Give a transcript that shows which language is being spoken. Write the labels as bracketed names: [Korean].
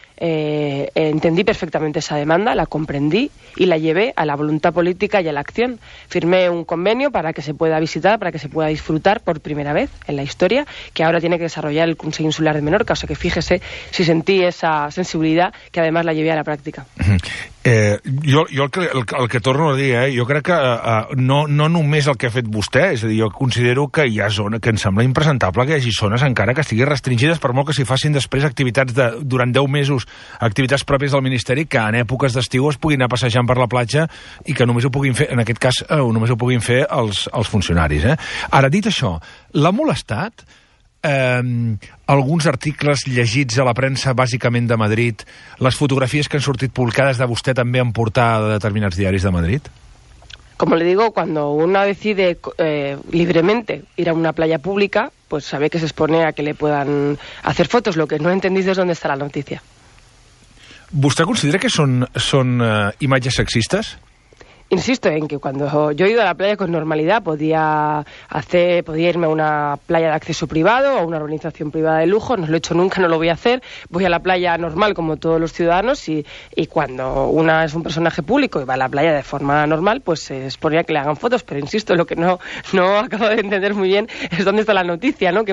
[Spanish] Entendí perfectamente esa demanda, la comprendí y la llevé a la voluntad política y a la acción. Firmé un convenio para que se pueda visitar, para que se pueda disfrutar por primera vez en la historia, que ahora tiene que desarrollar el Consejo Insular de Menorca. O sea que fíjese si sentí esa sensibilidad, que además la llevé a la práctica. [Catalan] Jo el que torno a dir, jo crec que no només el que ha fet vostè, és a dir, jo considero que hi ha zones, que em sembla impresentable que hi hagi zones encara que estiguin restringides, per molt que s'hi facin després activitats de, durant 10 mesos, activitats pròpies del Ministeri, que en èpoques d'estiu es puguin anar passejant per la platja i que només ho puguin fer, en aquest cas, només ho puguin fer els funcionaris. Ara, dit això, l'ha molestat alguns articles llegits a la premsa, bàsicament de Madrid, les fotografies que han sortit publicades de vostè també en portada de determinats diaris de Madrid? [Spanish] Como le digo, cuando uno decide libremente ir a una playa pública, pues sabe que se expone a que le puedan hacer fotos. Lo que no he entendido es dónde está la noticia. [Catalan] ¿Vostè considera que son imatges sexistes? [Spanish] Insisto en que cuando yo he ido a la playa con normalidad podía irme a una playa de acceso privado o a una urbanización privada de lujo, no lo he hecho nunca, no lo voy a hacer, voy a la playa normal como todos los ciudadanos y cuando una es un personaje público y va a la playa de forma normal, pues se expone a que le hagan fotos, pero insisto, lo que no acabo de entender muy bien es dónde está la noticia, ¿no?